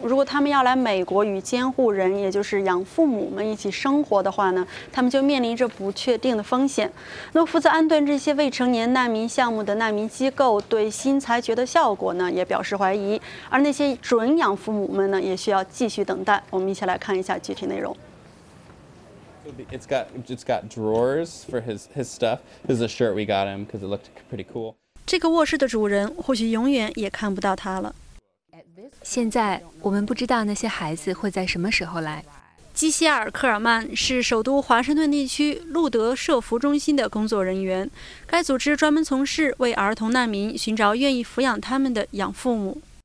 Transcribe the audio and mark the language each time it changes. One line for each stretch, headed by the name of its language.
Chinese: 如果他们要来美国与监护人，也就是养父母们一起生活的话呢，他们就面临着不确定的风险。那负责安顿这些未成年难民项目的难民机构对新裁决的效果呢，也表示怀疑。而那些准养父母们呢，也需要继续等待。我们一起来看一下具体内容。
English: It's got drawers for his stuff. This is a shirt we got him because it looked pretty cool.
Chinese: 这个卧室的主人或许永远也看不到他了。现在我们不知道那些孩子会在什么时候来。基希尔·科尔曼是首都华盛顿地区路德社福中心的工作人员，该组织专门从事为儿童难民寻找愿意抚养他们的养父母。